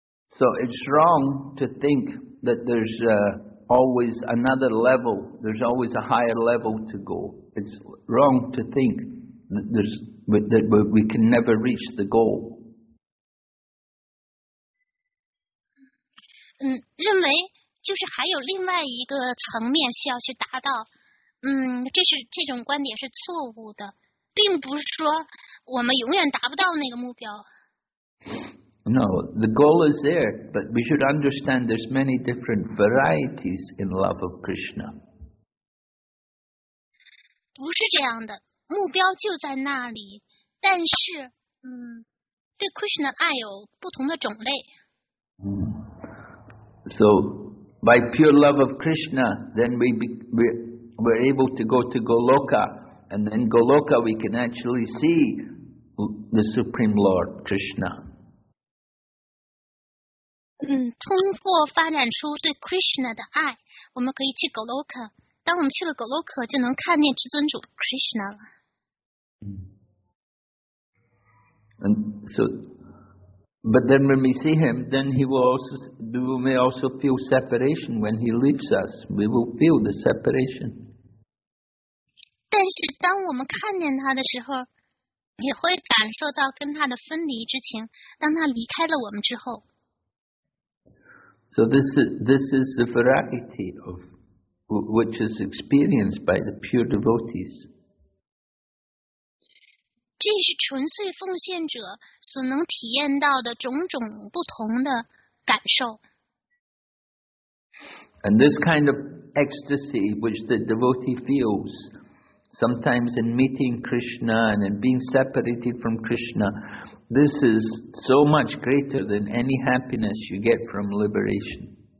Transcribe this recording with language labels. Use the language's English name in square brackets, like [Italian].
[English] So it's wrong to think that there's always another level. There's always a higher level to go. It's wrong to think that we can never reach the goal. [Chinese] 认为就是还有另外一个层面需要去达到，这种观点是错误的，并不是说我们永远达不到那个目标。 [English] No, the goal is there, but we should understand there's many different varieties in love of Krishna. [Chinese] 不是这样的，目标就在那里，但是，对 Krishna 的爱有不同的种类。 [English] So, by pure love of Krishna, then we're able to go to Goloka, and then Goloka we can actually see the Supreme Lord Krishna. [Chinese] 通过发展出对 Krishna 的爱，我们可以去 Goloka。当我们去了 Goloka， 就能看见至尊主 Krishna 了。 [English] But then when we see him, then we may also feel separation when he leaves us. We will feel the separation. [Chinese] 但是当我们看见他的时候，也会感受到跟他的分离之情，当他离开了我们之后。 [English] So this is the variety of which is experienced by the pure devotees. [Chinese] 这是纯粹奉献者所能体验到的种种不同的感受。 [English] And this kind of ecstasy which the devotee feels, sometimes in meeting Krishna and in being separated from Krishna, this is so much greater than any happiness you get from liberation.